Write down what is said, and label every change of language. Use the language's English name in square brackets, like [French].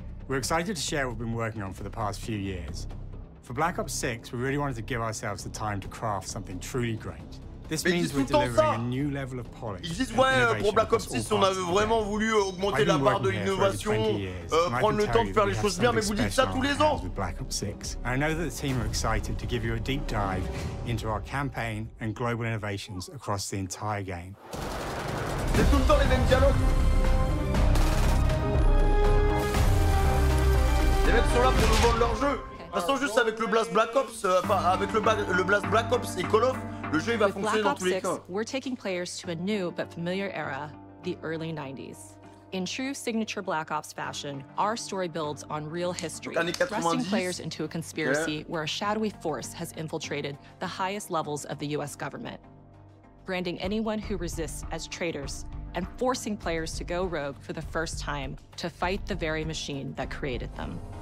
[English] We're excited to share what we've been working on for the past few years. For Black Ops 6, we really wanted to give ourselves the time to craft something truly great. This [French] Mais [English] means we're delivering a new level of polish. [French] Ils disent ouais, pour Black Ops 6, on avait vraiment voulu augmenter la barre de l'innovation, prendre le temps de faire les choses bien, mais vous dites ça tous les ans. [English] Black Ops 6. I know that the team are excited to give you a deep dive into our campaign and global innovations across the entire game. [French] C'est tout le temps les mêmes dialogues. Les mecs sont là pour nous vendre leur jeu. De toute façon, juste avec le Blast Black Ops, avec le Blast Black Ops et Call of, le jeu il va fonctionner dans tous les cas. [English] We're taking players to a new but familiar era, the early 90s. In true signature Black Ops fashion, our story builds on real history, thrusting players into a conspiracy where a shadowy force has infiltrated the highest levels of the US government, branding anyone who resists as traitors and forcing players to go rogue for the first time to fight the very machine that created them.